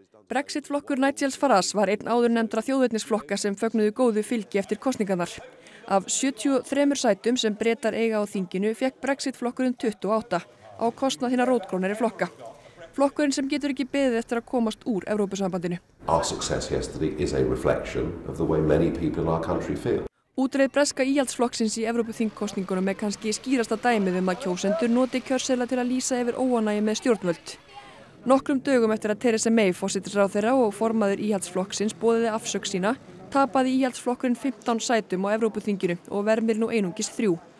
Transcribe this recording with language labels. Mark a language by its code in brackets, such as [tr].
[is] Brexit-flokkur Nigels Farage var einn áður nefndra þjóðvernisflokka sem fögnuðu góðu fylgi eftir kosningarnar. Af 73 sætum sem Bretar eiga á þinginu fekk Brexit-flokkurinn 28 á kostnað hinna rótgrónari flokka. Flokkurinn sem getur ekki beðið eftir að komast úr Evrópusambandinu. [en] Our success yesterday is a reflection of the way many people in our country feel. [is] Útreið breska íhaldsflokksins í Evrópuþingkosningunum kannski skýrasta dæmið að kjósendur noti kjörseðla til að lýsa yfir óanægju með stjórnvöld. Nokkrum dögum eftir að Theresa May forsætisráðherra og formaður íhaldsflokksins boðaði afsögn sína, tapaði íhaldsflokkurinn 15 sætum á Evrópuþinginu og vermir nú einungis 3.